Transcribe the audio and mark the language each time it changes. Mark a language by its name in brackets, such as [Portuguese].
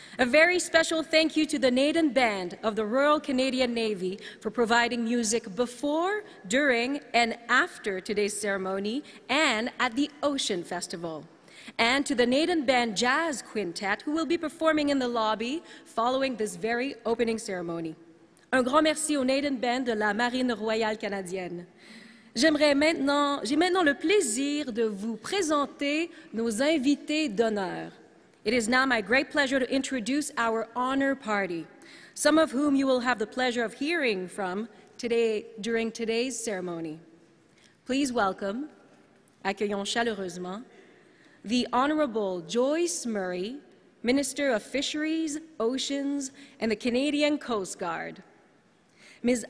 [English] A very special thank you to the Naden Band of the Royal Canadian Navy for providing music before, during, and after today's ceremony and at the Ocean Festival. And to the Naden Band Jazz Quintet, who will be performing in the lobby following this very opening ceremony. [French] Un grand merci au Naden Band de la Marine Royale Canadienne. J'ai maintenant le plaisir de vous présenter nos invités d'honneur. [English] It is now my great pleasure to introduce our honor party, some of whom you will have the pleasure of hearing from today during today's ceremony. Please welcome, [French] accueillons chaleureusement, [English] the Honorable Joyce Murray, Minister of Fisheries, Oceans, and the Canadian Coast Guard. Ms.